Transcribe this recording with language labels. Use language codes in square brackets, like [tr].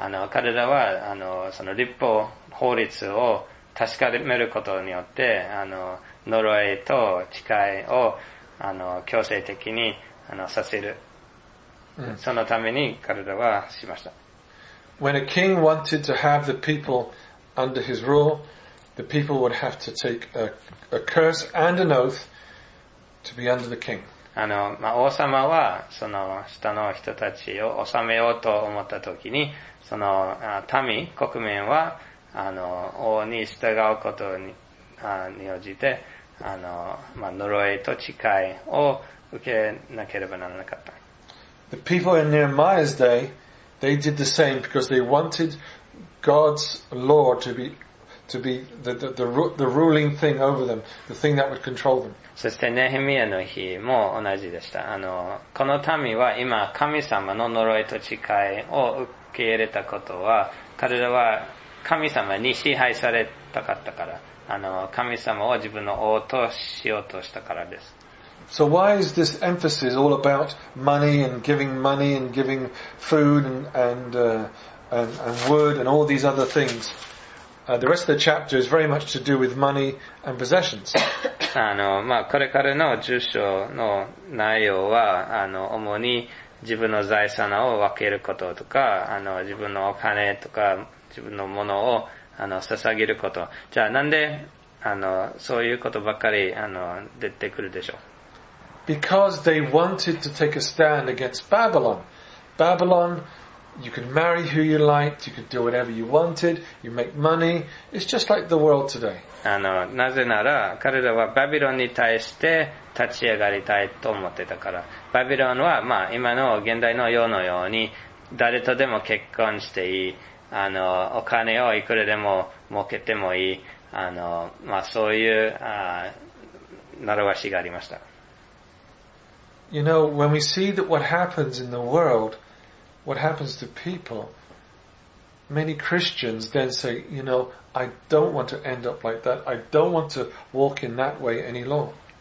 [ja] 彼らは、その立法、法律を確かめることによって、呪いと誓いを、強制的に、させる。そのために彼らはしました。 [en] When a king wanted to have the people under his rule, the people would have to take a curse and an oath to be under the king. [ja] 王様はその下の人たちを治めようと思ったときに、その民、国民は王に従うことに応じて呪いと誓いを受けなければならなかった。 [en] The people in Nehemiah's day, they did the same because they wanted God's law to be the ruling thing over them, the thing that would control them. [ja] そしてネヘミヤの日も同じでした。この民は今神様の呪いと誓いを受け入れたことは、彼らは神様に支配されたかったから、神様を自分の王としようとしたからです。 [en] So why is this emphasis all about money and giving food and word and all these other things? The rest of the chapter is very much to do with money and possessions. [ja] これからの十章の内容は、主に自分の財産を分けることとか、自分のお金とか、自分のものを、捧げること。じゃあなんで、そういうことばっかり、出てくるでしょう。 [en] Because they wanted to take a stand against Babylon. Babylon,You could marry who you liked, you could do whatever you wanted, you make money. It's just like the world today. [ja] なぜなら彼らはバビロンに対して立ち上がりたいと思ってたから。バビロンは今の現代の世のように誰とでも結婚していい。お金をいくらでも儲けてもいい。そういう、習わしがありました。 [en] You know, when we see that what happens in the world,What happens to people? Many Christians then say, you know, I don't want to end up like that. I don't want to walk in that way any longer.